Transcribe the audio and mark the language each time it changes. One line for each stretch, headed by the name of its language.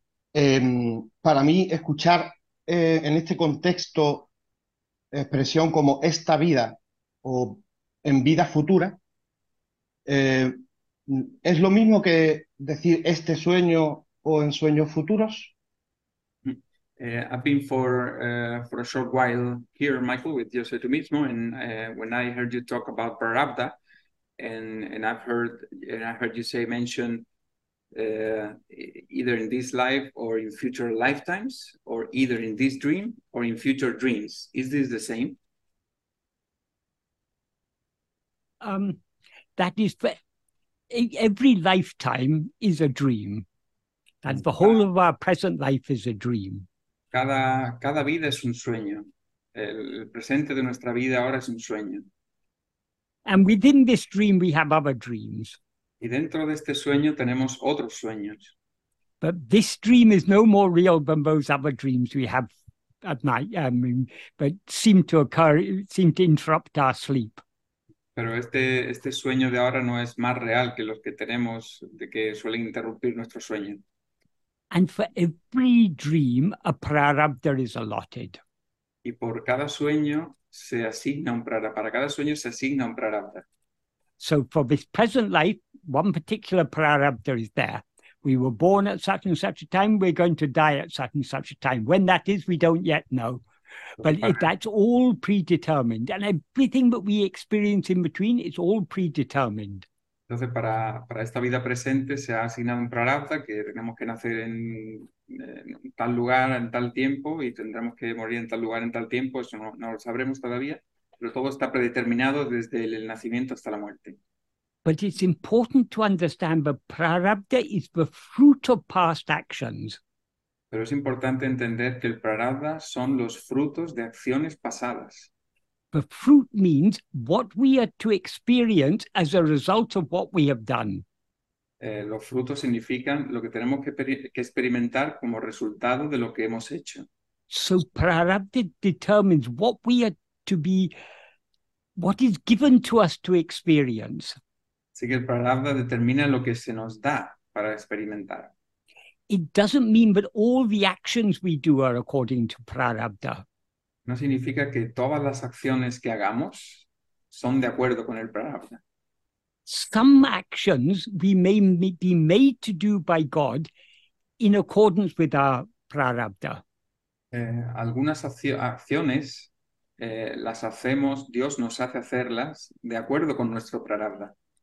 Spanish: Para mí, escuchar en este contexto expresión como esta vida o en vida futura, ¿es lo mismo que decir este sueño o en sueños futuros?
English: I've been for a short while here, Michael, with José
Spanish: tú mismo,
English: and when I heard you talk about prarabdha, and I heard you say mention either in this life or in future lifetimes, or either in this dream or in future dreams. Is this the same? That is, every lifetime is a dream, and the whole of our present life is a dream.
Spanish: Cada vida es un sueño. El presente de nuestra vida ahora es un sueño.
English: And within this dream we have other dreams.
Spanish: Y dentro de este sueño tenemos otros sueños.
English: But this dream is no more real than those other dreams we have at night, but seem to interrupt our sleep.
Spanish: Pero este sueño de ahora no es más real que los que tenemos, de que suelen interrumpir nuestro sueño.
English: And for every dream, a prarabdha is allotted.
Spanish: Y por cada sueño se asigna un prarabdha. Para cada sueño se asigna un prarabdha.
English: So for this present life, one particular prarabdha is there. We were born at such and such a time, we're going to die at such and such a time. When that is, we don't yet know. But that's all predetermined. And everything that we experience in between is all predetermined.
Spanish: Entonces, para esta vida presente se ha asignado un prarabdha, que tenemos que nacer en tal lugar, en tal tiempo, y tendremos que morir en tal lugar, en tal tiempo. Eso no lo sabremos todavía, pero todo está predeterminado desde el nacimiento hasta la muerte.
English: But it's important to understand that prarabdha is the fruit of past actions.
Spanish: Pero es importante entender que el prarabdha son los frutos de acciones pasadas.
English: The fruit means what we are to experience as a result of what we have done.
Spanish: Los frutos significan lo que tenemos que experimentar como resultado de lo que hemos hecho.
English: So prarabdha determines what we are to be, what is given to us to experience.
Spanish: Así que el prarabdha determina lo que se nos da para experimentar.
English: It doesn't mean that all the actions we do are according to prarabdha.
Spanish: No significa que todas las acciones que hagamos son de acuerdo con el prarabdha.
English: Some actions we may be made to do by God in accordance with our prarabdha.
Spanish: Algunas acciones las hacemos, Dios nos hace hacerlas de acuerdo con nuestro prarabdha.